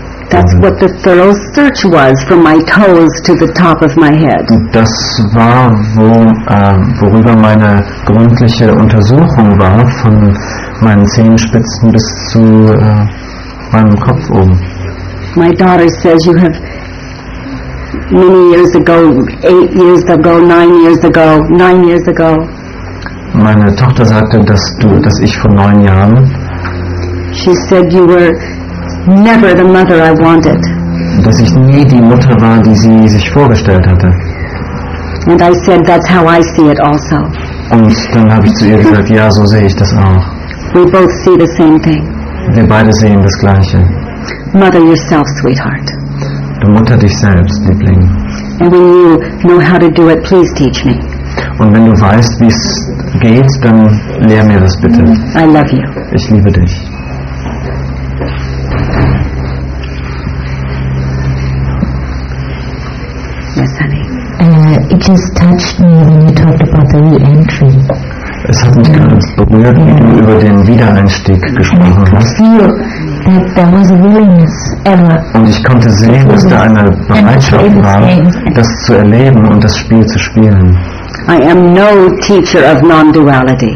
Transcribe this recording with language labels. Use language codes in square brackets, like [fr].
[en] That's what the thorough search was from my toes to the top of my head. [de] Das war, worüber meine gründliche Untersuchung war, von meinen Zehenspitzen bis zu meinem Kopf oben. [en] My daughter says you have many years ago, 9 years ago. [de] Meine Tochter sagte, dass ich vor 9 Jahren. [en] She said you were never the mother I wanted. [de] Dass ich nie die Mutter war, die sie sich vorgestellt hatte. [en] And I said that's how I see it also. [de] Und dann habe ich zu ihr gesagt, ja, so sehe ich das auch. [en] We both see the same thing. [de] Wir beide sehen das Gleiche. [en] Mother yourself, sweetheart. [de] Du Mutter dich selbst, Liebling. [en] And when you know how to do it, please teach me. [de] Und wenn du weißt, wie es geht, dann lehr mir das bitte. [en] I love you. [de] Ich liebe dich. [en] Yes, honey. It just touched me when you talked about the re-entry. [de] Es hat mich ganz berührt, wie du über den Wiedereinstieg gesprochen hast. Und ich konnte sehen, dass da eine Bereitschaft war, das zu erleben und das Spiel zu spielen. [en] I am no teacher of non-duality.